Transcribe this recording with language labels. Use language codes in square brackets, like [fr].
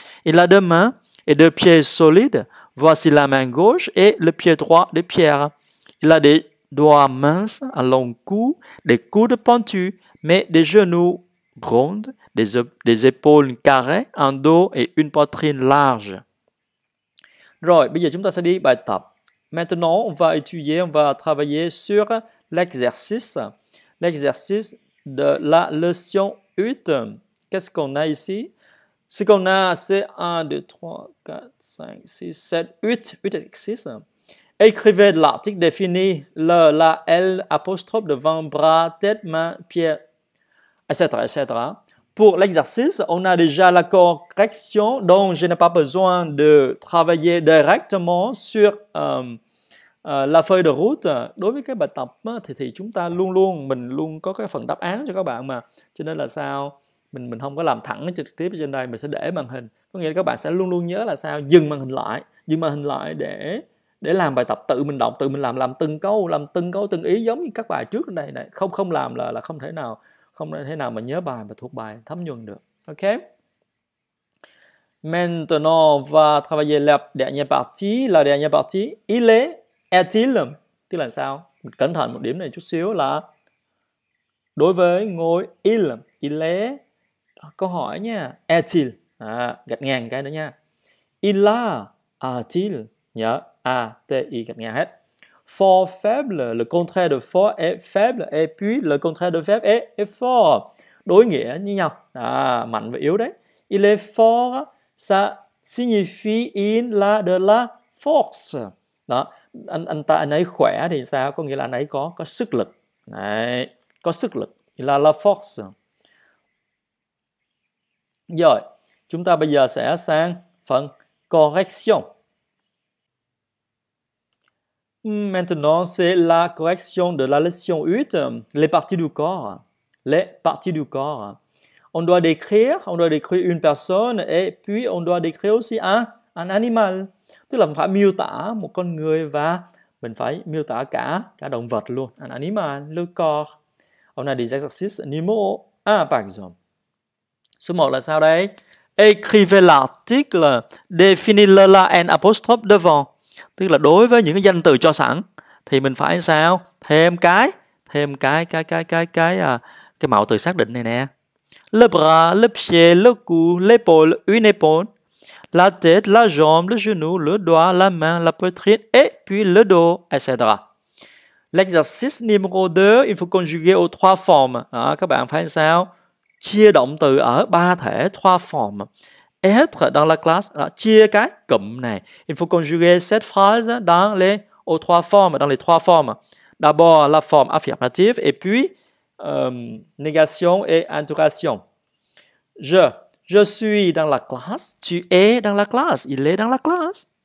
[fr] Il a deux mains et deux pieds solides. Voici la main gauche et le pied droit de Pierre. Il a des doigts minces, un long cou, des coudes pointus, mais des genoux rondes, des épaules carrées, un dos et une poitrine large. [vi] Rồi, bây giờ chúng ta sẽ đi bài tập. [fr] Maintenant, on va travailler sur l'exercice. L'exercice de la leçon 8. Qu'est-ce qu'on a ici? Ce qu'on a, c'est 1, 2, 3, 4, 5, 6, 7, 8, 8 exercices. Écrivez l'article défini, le, la, elle, apostrophe, devant, bras, tête, main, pied, etc. Pour l'exercice, on a déjà la correction dont je n'ai pas besoin de travailler directement sur la feuille de route. [vi] Đối với cái bài tập thì chúng ta luôn luôn mình luôn có cái phần đáp án cho các bạn mà. Cho nên là sao mình không có làm thẳng trực tiếp trên đây, mình sẽ để màn hình. Có nghĩa là các bạn sẽ luôn luôn nhớ là sao dừng màn hình lại để làm bài tập tự mình đọc, tự mình làm từng câu từng ý giống như các bài trước đây này. Không làm là không thể nào mà nhớ bài và thuộc bài thấm nhuần được. [fr] Ok. Maintenant, on va travailler la dernière partie. La dernière partie. Il est, est-il? [vi] Tức là sao? Mình cẩn thận một điểm này chút xíu là đối với ngôi il est. Câu hỏi nha. [fr] Est-il? [vi] À, gạch ngang cái đó nha. [fr] Il là, est-il? [vi] Nhớ. A, T, I gạch ngang hết. [fr] Fort, faible, le contraire de fort est faible, et puis le contraire de faible est fort. [vi] Đối nghĩa như nhau, à, mạnh và yếu đấy. [fr] Il est fort, ça signifie il là de la force. [vi] Đó, anh ấy khỏe thì sao? Có nghĩa là anh ấy có sức lực. Đấy, có sức lực, [fr] il a la force. [vi] Rồi, chúng ta bây giờ sẽ sang phần correction. [fr] Maintenant, c'est la correction de la leçon 8, les parties du corps. Les parties du corps. On doit décrire une personne et puis on doit décrire aussi un animal. [vi] Tức là mình phải miêu tả một con người và mình phải miêu tả cả động vật luôn. [fr] Un animal, le corps. On a des exercices numéro 1, par exemple. [vi] Số 1 là sao đây? [fr] Écrivez l'article, définis-le là en apostrophe devant. [vi] Tức là đối với những cái danh từ cho sẵn thì mình phải sao? Thêm cái mẫu từ xác định này nè. [fr] Le bras, le pied, le cou, l'épaule, une épaule. La tête, la jambe, le genou, le doigt, la main, la poitrine et puis le dos, etc. L'exercice numéro 2, il faut conjuguer aux trois formes. [vi] À, các bạn phải sao? Chia động từ ở ba thể, [fr] trois formes. Être dans la classe, [vi] là chia cái cụm này. [fr] Il faut conjuguer cette phrase dans les aux trois formes, dans les trois formes. D'abord la forme affirmative et puis négation et interrogation. Je suis dans la classe, tu es dans la classe, il est dans la classe.